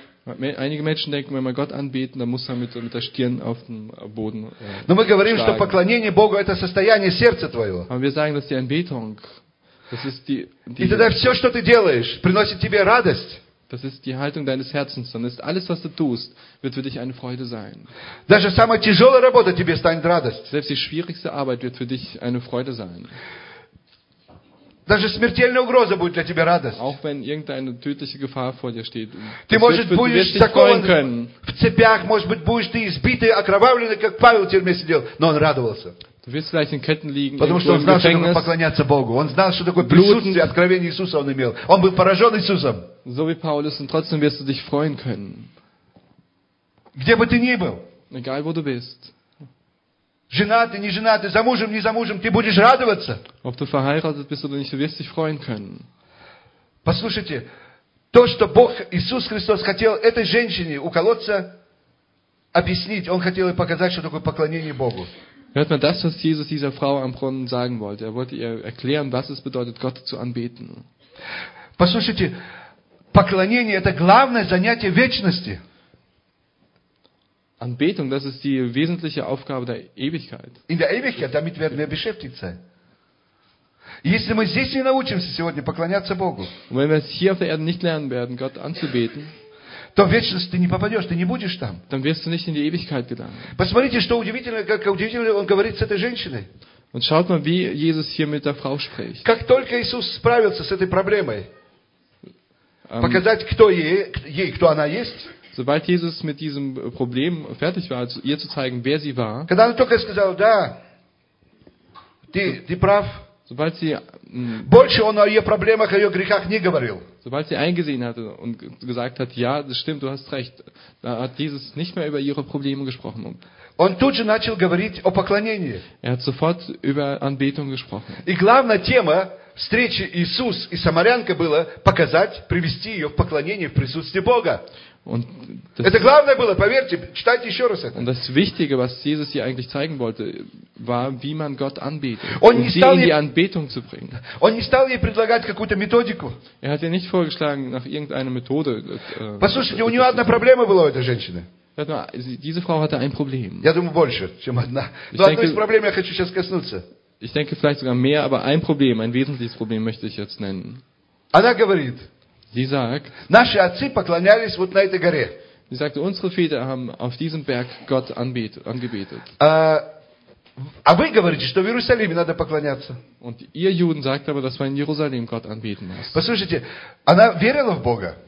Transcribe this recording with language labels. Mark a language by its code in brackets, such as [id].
[de] Einige Menschen denken, wenn man Gott anbeten, dann muss man mit der Stirn auf dem Boden [ru] Но мы говорим, что поклонение Богу это состояние сердца твоего. [de] Aber wir sagen, dass die Anbetung Das ist [ru] И тогда все, что ты делаешь, приносит тебе радость. [de] Das ist die Haltung deines Herzens. Dann ist alles, was du tust, wird für dich eine Freude sein. [ru] Даже самая тяжелая работа тебе станет радость. [de] Selbst die schwierigste Arbeit wird für dich eine Freude sein. [ru] Даже смертельная угроза будет для тебя радость. [de] Auch wenn irgendeine tödliche Gefahr vor dir steht. [ru] Ты может будешь закован в цепях, может быть будешь ты избитый, окровавленный, как Павел в тюрьме сидел, но он радовался. [de] Du wirst vielleicht in Ketten liegen, [ru] Потому что он знал, что нужно поклоняться Богу. Он знал, что такое присутствие, откровение Иисуса он имел. Он был поражен Иисусом. [de] So wie Paulus, und trotzdem wirst du dich freuen können. [ru] Где бы ты ни был. [de] Egal wo du bist. [ru] Женатый, не женатый, замужем, не замужем, ты будешь радоваться. [de] Ob du verheiratet bist oder nicht, du wirst dich freuen können. [ru] Послушайте, то, что Бог, Иисус Христос, хотел этой женщине у колодца объяснить, он хотел ей показать, что такое поклонение Богу. [de] Hört man das, was Jesus dieser Frau am Brunnen sagen wollte. Er wollte ihr erklären, was es bedeutet, Gott zu anbeten. [ru] Послушайте, поклонение – это главное занятие вечности. [de] Anbetung, das ist die wesentliche Aufgabe der Ewigkeit. In der Ewigkeit, damit werden wir beschäftigt sein. [ru] Если мы здесь не научимся сегодня поклоняться Богу, [de] und wenn wir es hier auf der Erde nicht lernen werden, Gott anzubeten, [ru] то в вечность ты не попадешь, ты не будешь там. [de] Dann wirst du nicht in die Ewigkeit gelangen. [ru] Посмотрите, что удивительно, как удивительно он говорит с этой женщиной. [de] Und schaut mal, wie Jesus hier mit der Frau spricht. [ru] Как только Иисус справился с этой проблемой, показать, кто ей, кто она есть. [de] Sobald Jesus mit diesem Problem fertig war, ihr zu zeigen, wer sie war. [ru] Когда она только сказала, да, ты прав. [de] Sobald sie [ru] больше он о ее проблемах, о ее грехах не говорил. [de] Sobald sie eingesehen hatte und gesagt hat, ja, das stimmt, du hast recht, da hat Jesus nicht mehr über ihre Probleme gesprochen. [ru] Он тут же начал говорить о поклонении. [de] Er hat sofort über Anbetung gesprochen. [ru] И главная тема встречи Иисус и Самарянка была показать, привести ее в поклонение, в присутствие Бога. [de] Und [ru] das, это главное было, поверьте, читайте еще раз это. [de] Und das Wichtige, was Jesus hier eigentlich zeigen wollte, war, wie man Gott anbetet, [ru] он [de] um sie in die Anbetung zu bringen. [ru] Он не стал ей предлагать какую-то методику. [de] Er hat ihr nicht vorgeschlagen, nach irgendeiner Methode. [ru] Послушайте, у нее одна проблема была у этой женщины. [de] Diese Frau hatte ein Problem. [ru] Я думаю, больше, чем одна. Но одной из проблем я хочу сейчас коснуться. [de] Ich denke vielleicht sogar mehr, aber ein Problem, ein wesentliches Problem möchte ich jetzt nennen. [ru] Она говорит. [de] Sie sagt, [ru] наши отцы поклонялись вот на этой горе. [de] Sie sagte, unsere Väter haben auf diesem Berg Gott angebetet. [ru] А вы говорите, что в Иерусалиме надо поклоняться. [de] Und ihr Juden sagt aber, dass man in Jerusalem Gott anbeten muss. [ru] Послушайте, она верила в Бога.